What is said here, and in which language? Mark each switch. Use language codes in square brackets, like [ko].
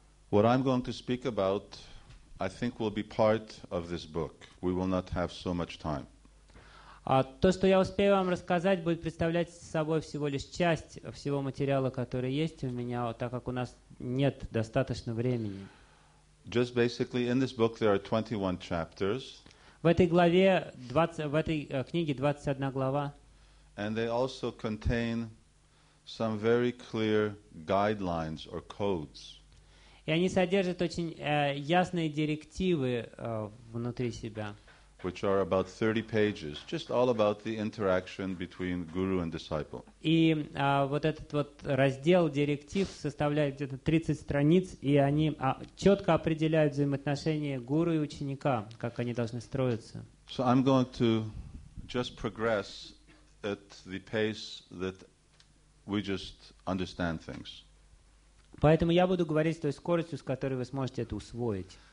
[en] What I'm going to speak about, I think, will be part of this book. We will not have so much time. [ru] То, что я успею вам рассказать, будет представлять собой всего лишь часть всего материала, который есть у меня, так как у нас нет достаточно времени. [en] Just basically, in this book there are 21 chapters. [ru] В этой главе, в этой книге 21 глава. [en] And they also contain some very clear guidelines or codes. [ru] И они содержат очень ясные директивы внутри себя. [en] which are about 30 pages, just all about the interaction between guru and disciple. [ru] И вот этот вот раздел директив составляет где-то 30 страниц, и они четко определяют взаимоотношения гуру и ученика, как они должны строиться. [en] So I'm going to just progress at the pace that we just understand things. [ru] Поэтому я буду говорить с той скоростью, с которой вы сможете это усвоить.